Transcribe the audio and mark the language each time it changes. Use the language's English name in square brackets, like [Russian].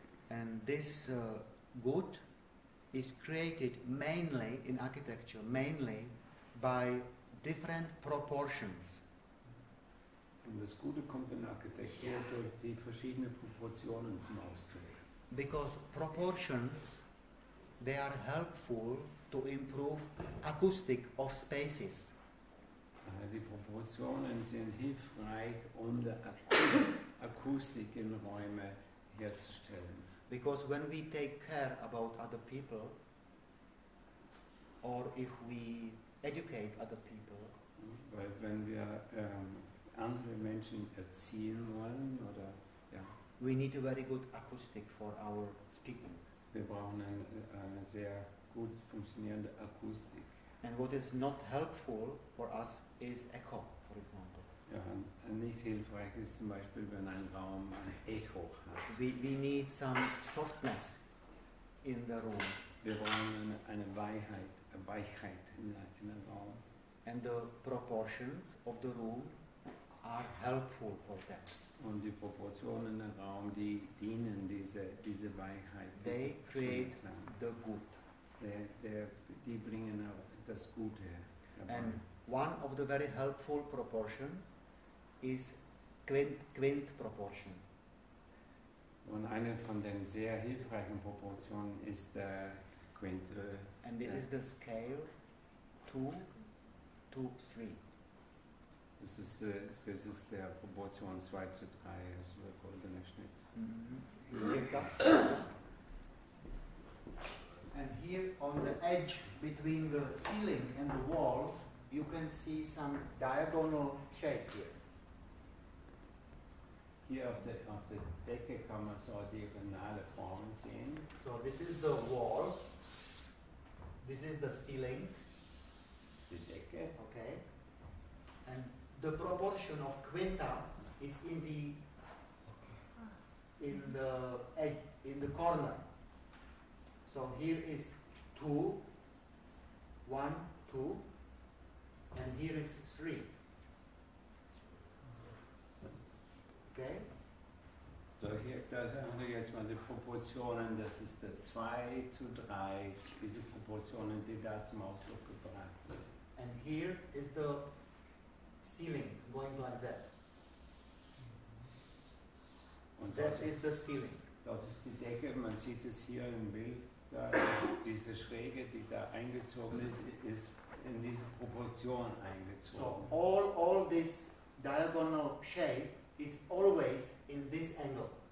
[English] And this good is created mainly in architecture, mainly by different proportions. [German] Und das Gute kommt in der Architektur durch die verschiedenen Proportionen zum Ausdruck. [English] Because proportions, they are helpful to improve acoustic of spaces. [German] Die Proportionen sind hilfreich, um die Akustik in Räume herzustellen. [English] Because when we take care about other people, or if we educate other people, [German] weil wenn wir andere Menschen erziehen wollen, [English] we need a very good acoustic for our speaking. [German] Wir brauchen eine sehr gut funktionierende Akustik. [English] And what is not helpful for us is echo, for example. [German] Ja, nicht hilfreich ist zum Beispiel, wenn ein Raum ein Echo hat. [English] We need some softness in the room. [German] Wir brauchen eine Weichheit in der Raum. [English] And the proportions of the room are helpful for that. [German] Und die Proportionen in dem Raum, die dienen diese Weichheit. [English] They create the good. [German] Die bringen das Gute her. [English] And one of the very helpful proportion is quint proportion. [German] Und eine von den sehr hilfreichen Proportionen ist der Quint. [English] And this is the scale 2, 2, 3. [German] Das ist der Proportion 2 zu 3, das ist der goldene Schnitt. [English] And here on the edge between the ceiling and the wall, you can see some diagonal shape here. [German] Hier auf der Decke kann man so diagonale Formen sehen. [English] So this is the wall. This is the ceiling. [German] Die Decke. [English] Okay. And the proportion of quinta is in the okay. in the corner. So here is 2, 1, 2, and here is 3. Okay. [German] So hier, das haben wir jetzt mal die Proportionen. Das ist der 2 zu 3. Diese Proportionen, die da zum Ausdruck gebracht werden. [English] And here is the ceiling going like that. [German] Und [English] that is the ceiling. [German] Das ist die Decke. Man sieht es hier im Bild. Da, diese Schräge, die da eingezogen ist in diese Proportion eingezogen. [English] So all this diagonal shape is always in this angle.